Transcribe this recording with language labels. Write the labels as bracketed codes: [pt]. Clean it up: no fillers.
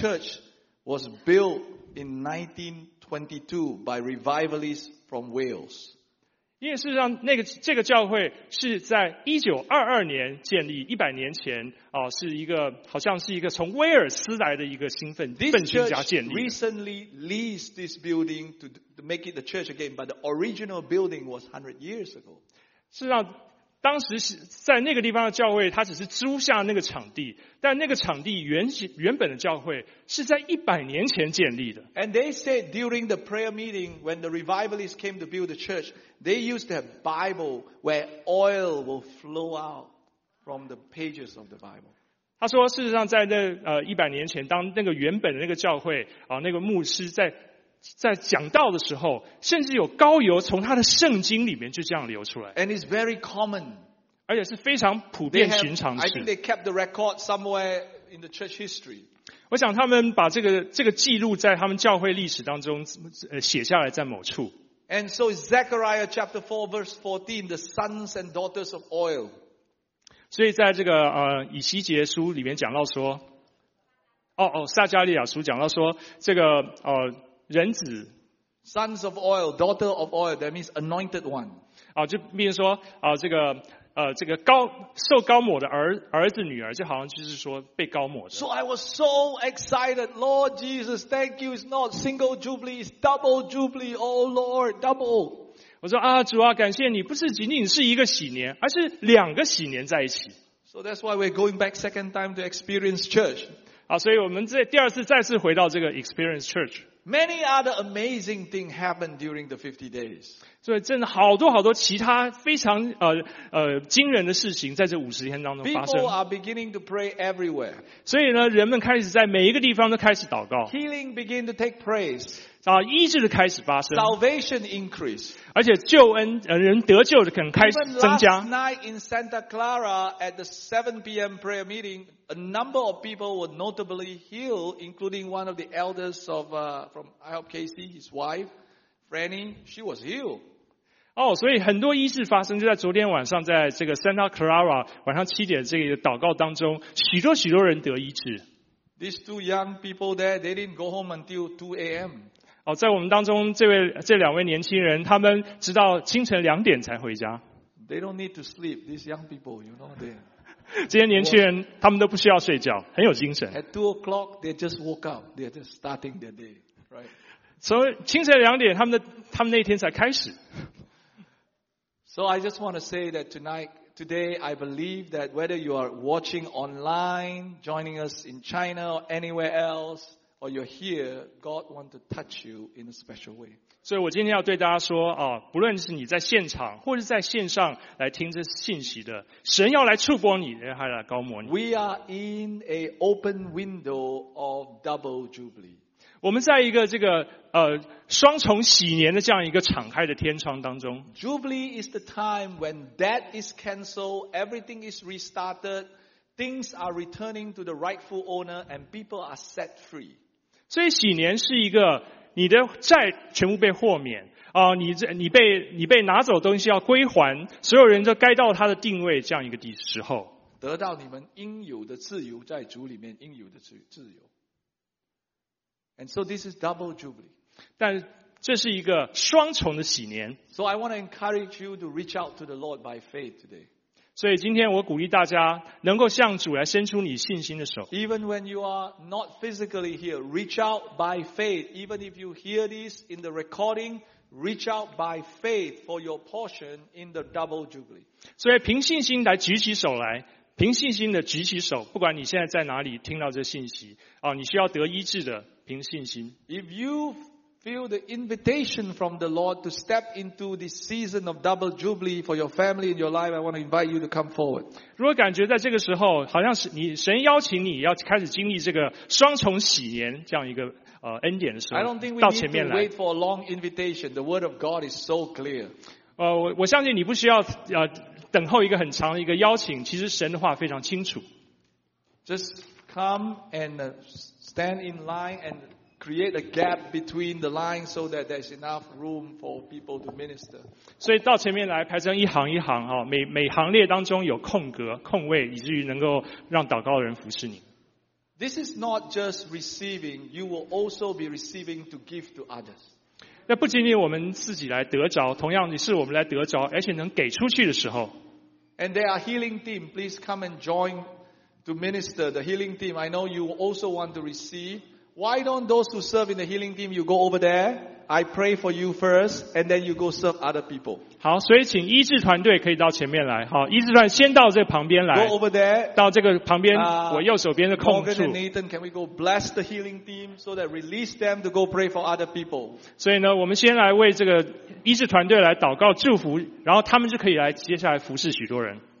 [en] This church. Was built in 1922 by revivalists from Wales. [zh] 因为事实上，那个这个教会是在1922年建立，100年前是一个好像是一个从威尔斯来的一个新奋奋进家建立。 [en] This church recently leased this building to make it the church again, but the original building was 100 years ago. [zh] 事实上。当时在那个地方的教会他只是租下那个场地，但那个场地 原本的教会是在100年前建立的。 [en] And they said during the prayer meeting when the revivalists came to build the church, they used their Bible where oil will flow out from the pages of the Bible. [zh] 他说事实上在那100年前当那个原本的那个教会那个牧师在讲道的时候，甚至有膏油从他的圣经里面就这样流出来。 [en] And it's very common. [zh] 而且是非常普遍寻常事。 [en] I think they kept the record somewhere in the church history. [zh] 我想他们把这个记录在他们教会历史当中写下来在某处。 [en] And so Zechariah chapter 4 verse 14, the sons and daughters of oil. [zh] 所以在这个以西结书里面讲到说，撒加利亚书讲到说，这个人子 [en] ，sons of oil, daughter of oil, that means anointed one. [zh] 就比如说这个高受高抹的儿子女儿，就好像就是说被高抹的。 [en] So I was so excited, Lord Jesus, thank you. It's not single jubilee, it's double jubilee, oh Lord, double. [zh] 我说主啊，感谢你，不是仅仅是一个喜年，而是两个喜年在一起。 [en] So that's why we're going back second time to experience church. [zh] 所以我们这第二次再次回到这个 experience church. [en] Many other amazing things happened during the 50 days. [zh] 所以真的好多好多其他非常惊人的事情在这五十天当中发生。 [en] People are beginning to pray everywhere. [zh] 所以呢，人们开始在每一个地方都开始祷告。 [en] Healing began to take place. [zh] 医治的开始发生。 [en] Salvation increased. [zh] 而且救恩人得救的可能开始增加。 [en] Even last night in Santa Clara at the 7 p.m. prayer meeting,A number of people were notably healed, including one of the elders of, from IHOP KC, his wife, Franny, she was healed. [zh] 所以很多医治发生就在昨天晚上在这个 Santa Clara 晚上七点这个祷告当中，许多许多人得医治。 [en] These two young people there, they didn't go home until 2 a.m. [zh] 在我们当中这两位年轻人，他们直到清晨两点才回家。 [en] They don't need to sleep, these young people, you know, they... [zh] 这些年轻人他们都不需要睡觉，很有精神。 [en] At 2 o'clock, they just woke up. They're just starting their day, right? [zh] 从清晨两点他们那一天才开始。 [en] So I just want to say that today, I believe that whether you are watching online, joining us in China or anywhere else, or you're here, God wants to touch you in a special way. [zh] 所以我今天要对大家说不论是你在现场或是在线上来听这信息的，神要来触摸你，还要来高摩你。 [en] We are in a open window of double jubilee. [zh] 我们在一个这个双重喜年的这样一个敞开的天窗当中。 [en] Jubilee is the time when debt is cancelled, everything is restarted, things are returning to the rightful owner, and people are set free. [zh] 所以喜年是一个你的债全部被豁免你被拿走的东西要归还，所有人都该到他的定位，这样一个时候得到你们应有的自由，在主里面应有的自由。 [en] And so this is double jubilee. [zh] 但这是一个双重的喜年。 [en] So I want to encourage you to reach out to the Lord by faith today. [zh] 所以今天我鼓励大家能够向主来伸出你信心的手。 [en] Even when you are not physically here, reach out by faith. Even if you hear this in the recording, reach out by faith for your portion in the double jubilee. [zh] 所以凭信心来举起手来，凭信心的举起手，不管你现在在哪里听到这信息你需要得医治的，凭信心。 [en] If you feel the invitation from the Lord to step into this season of double jubilee for your family and your life, I want to invite you to come forward. [zh] 如果感觉在这个时候好像是神邀请你要开始经历这个双重喜年这样一个恩典的时候，到前面来。 [en] I don't think we need to wait for a long invitation. The word of God is so clear. [zh] 我相信你不需要等候一个很长的一个邀请，其实神的话非常清楚。 [en] Just come and stand in line andcreate a gap between the lines so that there's enough room for people to minister. [zh] 所以到前面来排成一行一行每行列当中有空格空位，以至于能够让祷告的人服侍你。 [en] This is not just receiving, you will also be receiving to give to others. [zh] 那不仅仅我们自己来得着，同样也是我们来得着而且能给出去的时候。 [en] And there are healing team, please come and join to minister the healing team. I know you also want to receiveWhy don't those who serve in the healing team, you go over there, I pray for you first, and then you go serve other people. [zh] 好，所以请医治团队可以到前面来。好，医治团先到这旁边来。 [en] Go over there. [zh] 到这个旁边，我右手边的空处。 [en] Morgan and Nathan, can we go bless the healing team so that release them to go pray for other people? [zh] 所以呢，我们先来为这个医治团队来祷告祝福，然后他们就可以来接下来服侍许多人。